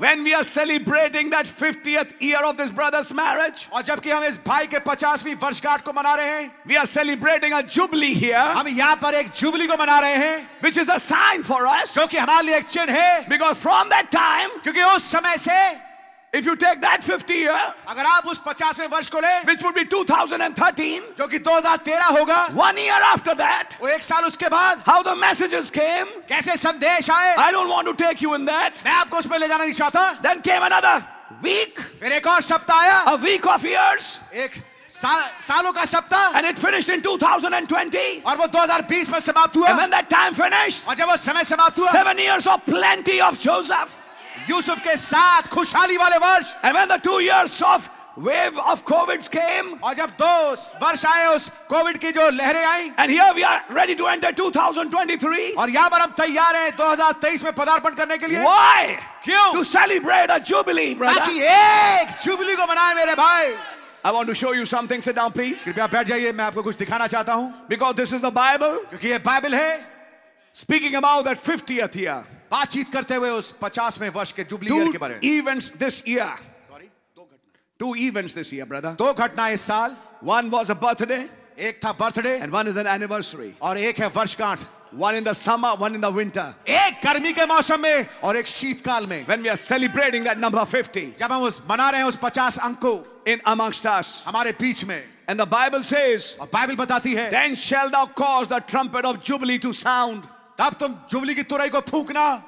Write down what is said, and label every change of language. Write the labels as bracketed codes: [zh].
[en] When we are celebrating that 50th year of this brother's marriage. [hi] और जबकि हम इस भाई के 50वीं वर्षगांठ को मना रहे हैं. [en] We are celebrating a jubilee here. [hi] हम यहाँ पर एक जुबली को मना रहे हैं. [en] Which is a sign for us. [hi] क्योंकि हमारे लिए एक चिन्ह है. [en] Because from that time. [hi] क्योंकि उस समय से. [en] If you take that 50 year, [hi] अगर आप उस 50वें वर्ष को ले, [en] which would be 2013, [hi] जो कि 2013 होगा, [en] one year after that, [hi] वो एक साल उसके बाद, [en] how the messages came, [hi] कैसे संदेश आए, [en] I don't want to take you in that, [hi] मैं आपको उसमें ले जाना नहीं चाहता, [en] then came another week, [hi] फिर एक और सप्ताह आया, [en] a week of years, [hi] एक सालों का सप्ताह, [en] and it finished in 2020, [hi] और वो 2020 में समाप्त हुआ, [en] and when that time finished, [hi] और जब वो समय समाप्त हुआ, [en] 7 years of plenty of Joseph. [hi] Yusuf के साथ खुशहाली वाले वर्ष. [en] And when the 2 years of wave of COVID came. [hi] और जब दो वर्ष आए उस कोविड की जो लहरें आई. [en] And here we are ready to enter 2023. [hi] और यहाँ पर हम तैयार हैं 2023 में पदार्पण करने के लिए. [en] Why? [hi] क्यों? [en] To celebrate a jubilee, brother. [hi] ताकि एक जुबली को मनाए मेरे भाई. [en] I want to show you something. Sit down, please. [hi] कृपया बैठ जाइए. मैं आपको कुछ दिखाना चाहता हूँ. [en] Because this is the Bible. [hi] क्योंकि ये बाइबल है. [en] Speaking about that 50th year. [hi] बातचीत करते हुए उस 50वें वर्ष के जुबली ईयर के बारे में. [en] Events this year. [hi] सॉरी, दो घटना. [en] Two events this year brother. [hi] दो घटनाएं इस साल. [en] One was a birthday. [hi] एक था birthday. [en] And one is an anniversary. [hi] और एक है वर्षगांठ. [en] One in the summer, one in the winter. [hi] एक गर्मी के मौसम में और एक शीतकाल में. [en] When we are celebrating that number 50. [hi] जब हम उस मना रहे हैं उस 50 अंक को. [en] In amongst us. [hi] हमारे बीच में. [en] And the Bible says. [hi] और बाइबल बताती है. [en] Then shall thou cause the trumpet of jubilee to sound. [hi] तब तुम जुबली की तुरई को फूंकना.